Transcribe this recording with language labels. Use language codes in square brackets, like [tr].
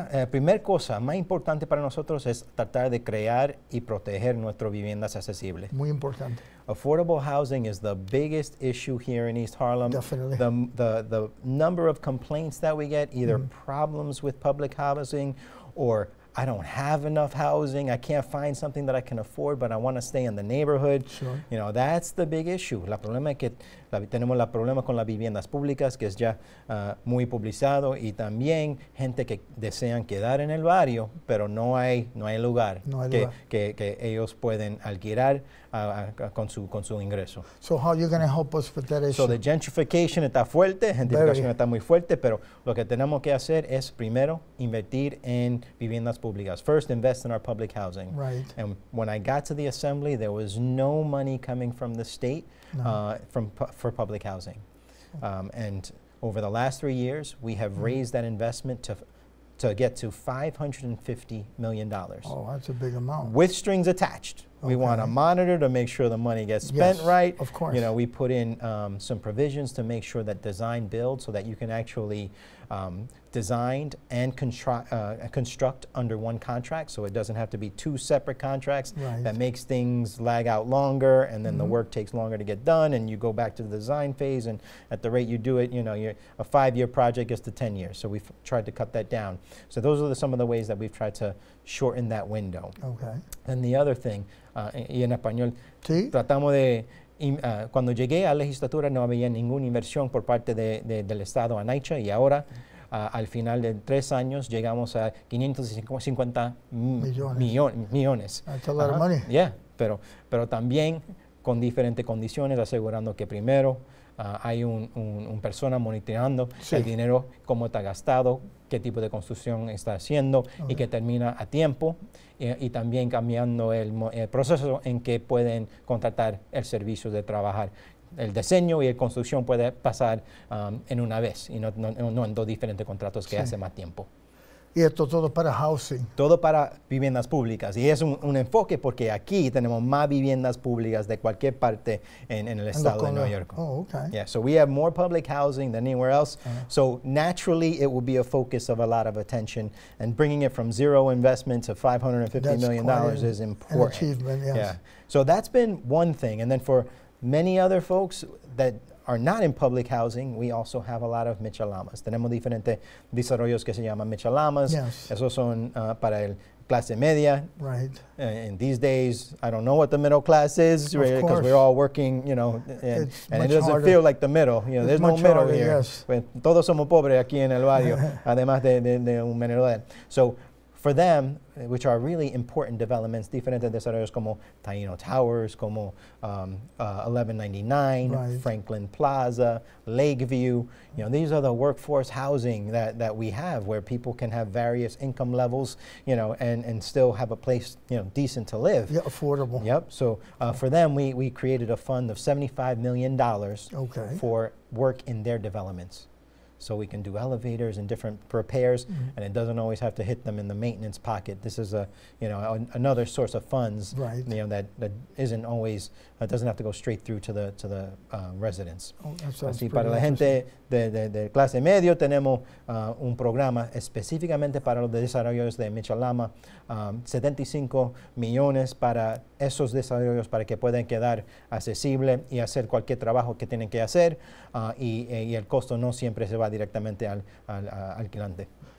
[es] Primera cosa más importante para nosotros es tratar de crear y proteger nuestras viviendas accesibles. Muy importante. [en] Affordable housing is the biggest issue here in East Harlem. Definitely. The number of complaints that we get, either problems with public housing or I don't have enough housing. I can't find something that I can afford, but I want to stay in the neighborhood. Sure. You know, that's the big issue. [es] La problema es que tenemos la problema con las viviendas públicas, que es ya muy publicizado, y también gente que desean quedar en el barrio, pero no hay lugar, no hay lugar que ellos pueden alquilar con su ingreso. [en] So how are you going to help us with that issue? So the gentrification [es] está fuerte, gentrificación está muy fuerte, pero lo que tenemos que hacer es primero invertir en viviendas públicas. [en] First, invest in our public housing. Right. And when I got to the assembly, there was no money coming from the state for public housing. And over the last 3 years, we have raised that investment to get to $550 million. Oh, that's a big amount. With strings attached. Okay. We want to monitor to make sure the money gets spent right. Of course. You know, we put in some provisions to make sure that design build so that you can actually design and construct under one contract, so it doesn't have to be two separate contracts. Right. That makes things lag out longer, and then the work takes longer to get done, and you go back to the design phase, and at the rate you do it, you know, a five-year project gets to 10 years. So we've tried to cut that down. So those are some of the ways that we've tried to shorten that window. Okay. And the other thing, [es] y en español, ¿sí? Tratamos de... cuando llegué a la legislatura no había ninguna inversión por parte del Estado a NYCHA, y ahora, al final de 3 años, llegamos a 550 millones. [en] That's a lot of money. [es] Yeah, pero también con diferentes condiciones, asegurando que primero hay un persona monitoreando el dinero, cómo está gastado, qué tipo de construcción está haciendo y que termina a tiempo. Y también cambiando el proceso en que pueden contratar el servicio de trabajar. El diseño y la construcción puede pasar en una vez y no en dos diferentes contratos que hace más tiempo. Y esto todo para housing. Todo para viviendas públicas. Y es un enfoque porque aquí tenemos más viviendas públicas de cualquier parte en el estado de Nueva York. [en] Oh, okay. Yeah, so we have more public housing than anywhere else. Uh-huh. So naturally, it will be a focus of a lot of attention. And bringing it from zero investment to $550 million is important. That's an achievement, yes. Yeah. So that's been one thing. And then for many other folks that are not in public housing, we also have a lot of michelamas. Tenemos diferentes desarrollos que se llaman michelamas. Yes. Esos son para el clase media. Right. And these days, I don't know what the middle class is, because we're all working, you know, and it doesn't feel like the middle. You know, it's there's no middle harder, here. [es] Todos somos pobres aquí en el barrio, además de un menor edad. [en] So for them, which are really important developments, [es] diferentes desarrollos como Taino Towers, como 1199, [en] right. Franklin Plaza, Lakeview. You know, these are the workforce housing that we have, where people can have various income levels, you know, and still have a place, you know, decent to live. Yeah, affordable. Yep. So for them, we created a fund of $75 million for work in their developments. So we can do elevators and different repairs, and it doesn't always have to hit them in the maintenance pocket. This is another source of funds, you know, that isn't always, that doesn't have to go straight through to the residents. [es] Así para la gente de clase medio tenemos un programa específicamente para los desarrollos de Michelama, 75 millones para esos desarrollos para que puedan quedar accesible y hacer cualquier trabajo que tienen que hacer, y el costo no siempre se va directamente al alquilante.